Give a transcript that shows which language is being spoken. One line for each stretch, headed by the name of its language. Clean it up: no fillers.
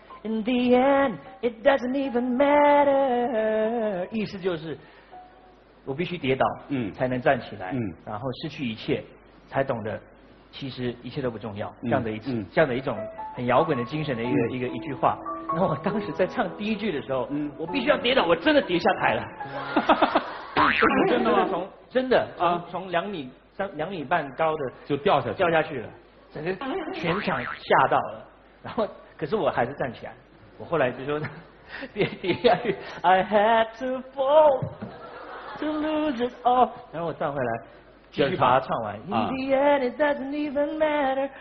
English: In the end, it doesn't even matter.
Chinese: 意思就是我必须跌倒，才能站起来，然后失去一切，才懂得其实一切都不重要。这样的一种很摇滚的精神的一句话。那我当时在唱第一句的时候，我必须要跌倒，我真的跌下台了。是真的吗？从2米半高的就掉下去了，整个全场吓到了。然后，可是我还是站起来。我后来就说，跌下去 ，
English: I had to fall to lose it all。
Chinese: 然后我站回来，继续把它唱完。
English: In the end, it doesn't even matter。